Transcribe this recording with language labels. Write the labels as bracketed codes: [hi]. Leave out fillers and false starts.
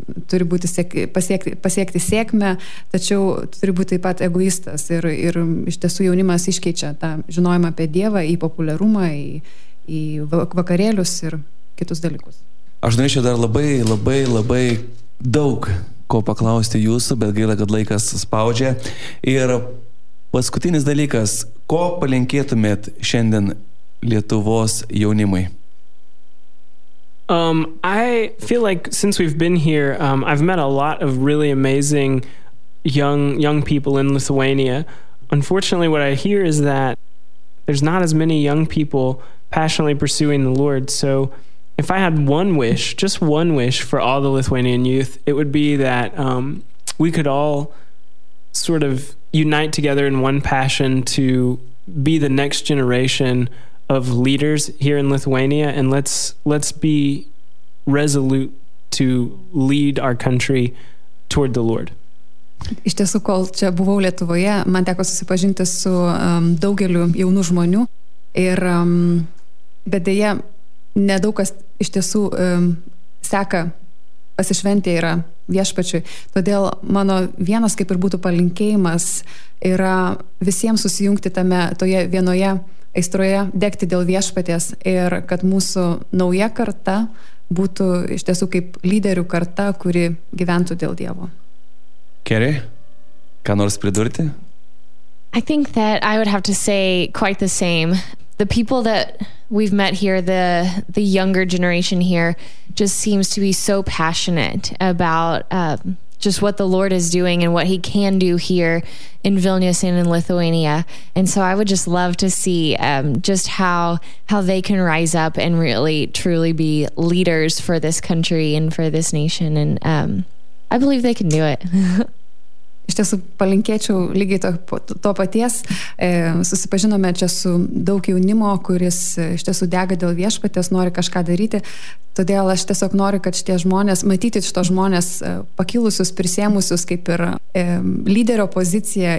[lt] turi būti pasiekti sėkmę, tačiau tu turi būti taip pat egoistas, ir iš tiesų jaunimas iškeičia tą žinojimą apie Dievą į populiarumą, į vakarėlius ir kitus dalykus. Aš norėčiau dar labai, labai, labai daug ko paklausti jūsų, bet gaila, kad laikas spaudžia. Ir paskutinis dalykas, ko palinkėtumėt šiandien Lietuvos jaunimui? [en] I feel like since we've been here, I've met a lot of really amazing young people in Lithuania. Unfortunately, what I hear is that there's not as many young people passionately pursuing the Lord. So if I had one wish, just one wish for all the Lithuanian youth, it would be that we could all sort of unite together in one passion to be the next generation of leaders here in Lithuania, and let's be resolute to lead our country toward the Lord. [lt] Iš tiesų, kol čia buvau Lietuvoje, man teko susipažinti su daugeliu jaunų žmonių ir bet dėja, nedaug kas iš tiesų seka pasišventė yra viešpačiui. Todėl mano vienas, kaip ir būtų palinkėjimas, yra visiems susijungti tame toje vienoje aistroje, degti dėl viešpaties ir kad mūsų nauja karta būtų iš tiesų kaip lyderių karta, kuri gyventų dėl Dievo. Kerry, ką nors pridurti? [en] I think that I would have to say quite the same. The people that we've met here, the younger generation here, just seems to be so passionate about just what the Lord is doing and what he can do here in Vilnius and in Lithuania. And so I would just love to see just how they can rise up and really truly be leaders for this country and for this nation. And I believe they can do it. [lt] Iš tiesų palinkėčiau lygiai to paties. Susipažinome čia su daug jaunimo, kuris iš tiesų dega dėl viešpaties, nori kažką daryti. Todėl aš tiesiog noriu, kad šitie žmonės, matyti šito žmonės pakilusius, prisėmusius, kaip ir lyderio poziciją.